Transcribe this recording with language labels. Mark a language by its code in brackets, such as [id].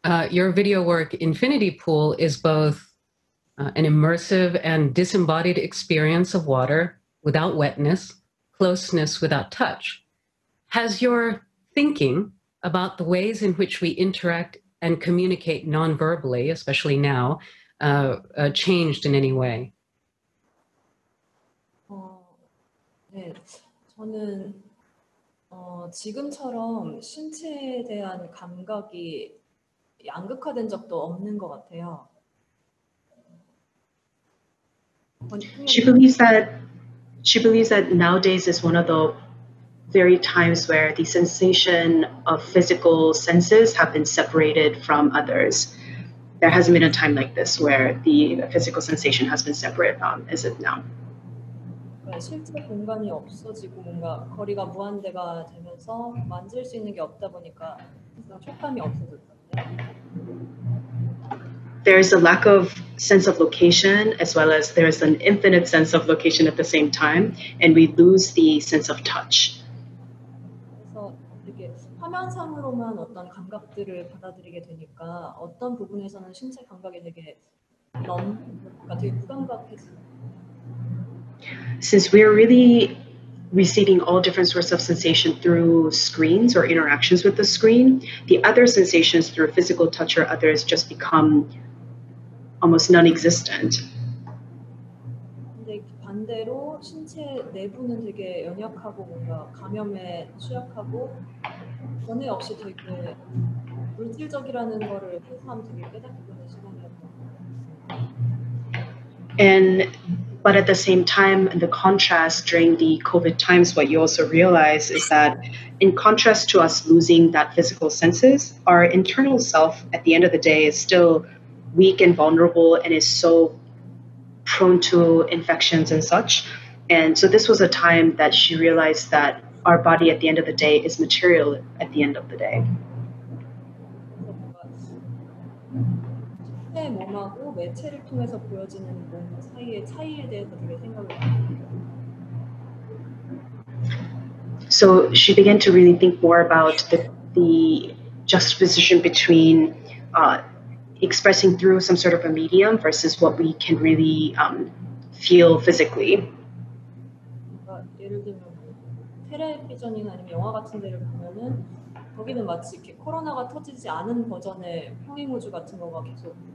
[en] Your video work, Infinity Pool, is both an immersive and disembodied experience of water without wetness, closeness without touch. Has your thinking about the ways in which we interact and communicate non-verbally, especially now, changed in any way? [ko] 네, 저는 지금처럼 신체에 대한 감각이 양극화된 적도 없는 것 같아요. [en] She believes that nowadays is one of the very times where the sensation of physical senses have been separated from others. There hasn't been a time like this where the physical sensation has been separate from, is it now? [ko] 실제 공간이 없어지고 뭔가 거리가 무한대가 되면서 만질 수 있는 게 없다 보니까 촉감이 없어졌던데. [en] There is a lack of sense of location, as well as there is an infinite sense of location at the same time, and we lose the sense of touch. [ko] 그래서 이게 화면상으로만 어떤 감각들을 받아들이게 되니까 어떤 부분에서는 신체 감각이 되게 그러니까 되게 무감각해지. [en] Since we are really receiving all different sorts of sensation through screens or interactions with the screen, the other sensations through physical touch or others just become almost non-existent. [ko] 근데 반대로 신체 내부는 되게 연약하고 뭔가 감염에 취약하고 전에 없이 되게 물질적이라는 거를 포함 되게 깨닫게 되는 시간이었고. [en] And but at the same time, the contrast during the COVID times, what you also realize is that in contrast to us losing that physical senses, our internal self at the end of the day is still weak and vulnerable and is so prone to infections and such. And so this was a time that she realized that our body at the end of the day is material at the end of the day. [ko] 몸하고 매체를 통해서 보여지는 몸 사이의 차이에 대해서 되게 생각을 했어요. [en] So she began to really think more about the juxtaposition between expressing through some sort of a medium versus what we can really feel physically. [ko] 예를 들면 텔레비전이나 아니면 영화 같은 데를 보면은 거기는 마치 이렇게 코로나가 터지지 않은 버전의 홍익우주 같은 거가 계속